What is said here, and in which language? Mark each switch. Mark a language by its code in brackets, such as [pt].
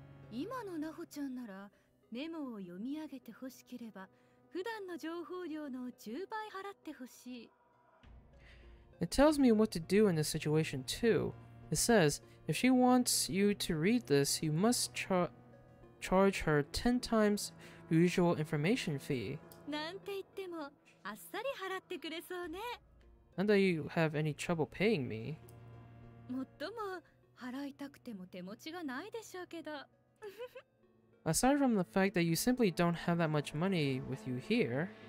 [ja] 今のナホちゃんならメモを読み上げてほしければ普段の情報量の10倍払ってほしい。 [en] It tells me what to do in this situation too. It says, if she wants you to read this, you must charge her 10 times usual information fee. [ja] なんて言ってもあっさり払ってくれそうね。 [en] Not that you have any trouble paying me. [ja] もっとも払いたくても手持ちがないでしょうけど。 [en] Aside from the fact that you simply don't have that much money with you here,